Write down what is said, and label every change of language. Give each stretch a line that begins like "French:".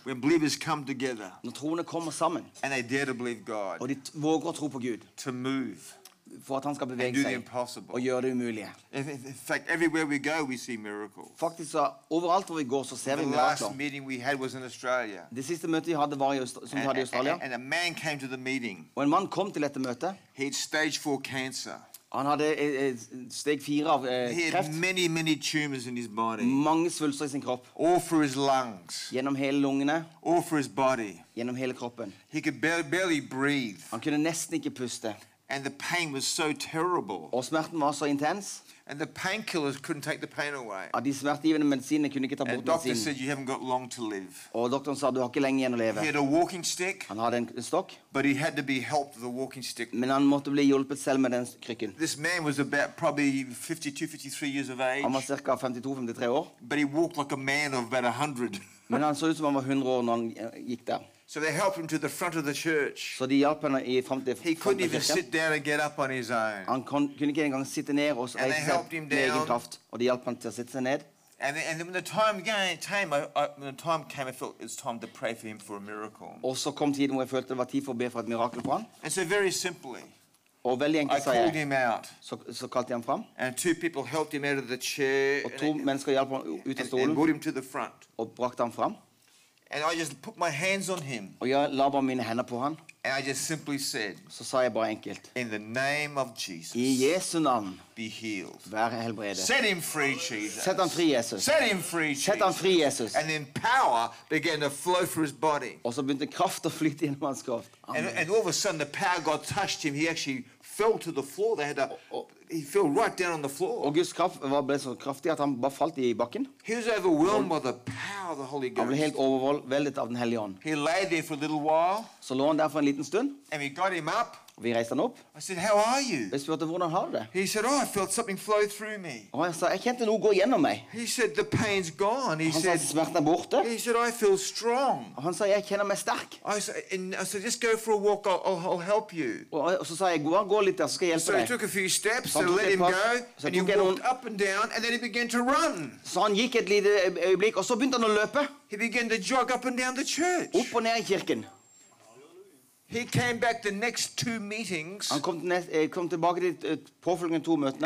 English: When believers come together.
Norwegian: Når troende kommer sammen.
English: And they dare to believe God.
Norwegian: Og de våger å tro på Gud.
English: To move.
Norwegian: For at han skal bevege seg og gjøre det umulige.
English: In fact, everywhere we go, we see miracles.
Norwegian: Faktisk, overalt hvor vi går, så ser vi mirakler.
English: The last meeting we had was in Australia.
Norwegian: Det siste møtet vi hadde var som vi hadde I Australia.
English: And a man came to the meeting.
Norwegian: Og en mann kom til dette møtet.
English: He had stage 4 cancer.
Norwegian: Han hadde steg 4 av kreft.
English: He had many, many tumors in his body.
Norwegian: Mange svulster I sin kropp.
English: All through his lungs.
Norwegian: Gjennom hele lungene.
English: All through his body.
Norwegian: Gjennom hele kroppen.
English: He could barely breathe.
Norwegian: Han kunne nesten ikke puste.
English: And the pain was so terrible.
Norwegian: Og smerten var så intens.
English: And the painkillers couldn't take the pain away.
Norwegian: Og de smertegivende medisinene kunne ikke ta bort medisinen.
English: And the doctor said you haven't got long to live.
Norwegian: Og doktoren sa du har ikke lenge igjen å leve.
English: He had a walking stick.
Norwegian: Han hadde en stokk.
English: But he had to be helped with the walking stick.
Norwegian: Men han måtte bli hjulpet selv med den krykken.
English: This man was about probably 52-53 years of age.
Norwegian: Han var cirka 52-53 år.
English: But he walked like a man of about 100.
Norwegian: Men han så ut som han var 100 år når han gikk der.
English: So they helped him to the front of the church.
Norwegian: Så de hjalp han I front til.
English: He couldn't even sit down and get up on his own.
Norwegian: Han kunne ikke engang sitte ned og reise seg.
English: And they helped him down.
Norwegian: Med egen kraft, og de hjalp han til å sitte seg ned.
English: And when the time came, I felt it's time to pray for him for a miracle.
Norwegian: Og så kom tiden hvor jeg følte det var tid for å be for et mirakel for han.
English: And so very simply.
Norwegian: Og veldig enkelt sa jeg.
English: I called him out.
Norwegian: Så kalte jeg ham fram.
English: And two people helped him out of the chair.
Norwegian: Og to mennesker hjalp han ut av stolen.
English: And brought him to the front.
Norwegian: Og brakte ham fram.
English: And I just put my hands on him.
Norwegian: Og jeg la bare mine hender på han.
English: And I just simply said.
Norwegian: Så sa jeg bare enkelt.
English: In the name of Jesus.
Norwegian: I Jesu navn.
English: Be healed.
Norwegian: Vær helbredet.
English: Set him free, Jesus.
Norwegian: Sett han fri, Jesus.
English: Set him free, Jesus.
Norwegian: Sett han fri, Jesus.
English: And then power began to flow through his body.
Norwegian: Og så begynte kraft å flyte gjennom hans kraft.
English: And all of a sudden, the power of God touched him. He actually fell to the floor. They had to. He fell right down on the floor.
Norwegian: Og Guds kraft var ble så kraftig at han bare falt I bakken.
English: He was overwhelmed by the power of the Holy Ghost.
Norwegian: Han ble helt overveldet av den hellige ånd.
English: He lay there for a little while.
Norwegian: Så lå han der for en liten stund.
English: And we got him up.
Norwegian: Vi reiste han opp.
English: I said, "How are you?"
Norwegian: Jeg spurte hvordan har du det.
English: He said, "Oh, I felt something flow through me."
Norwegian: Og han sa, "Jeg kjente noe gå gjennom meg."
English: He said, "The pain's gone."
Norwegian: Han sa, "Smerten borte."
English: He said, "I feel strong."
Norwegian: Og han sa, "Jeg kjenner meg sterk."
English: I said, "Just go for a walk. I'll help you."
Norwegian: Og så sa jeg, "Gå litt, så skal jeg hjelpe deg."
English: So he took a few steps and let him go. And he walked up and down, and then he began to run.
Norwegian: Så han gikk et lite øyeblikk, og så begynte han å løpe.
English: He began to jog up and down the church.
Norwegian: Opp og ned I kirken.
English: He came back the next two meetings.
Norwegian: Han kom tilbake til påfølgende to møtene.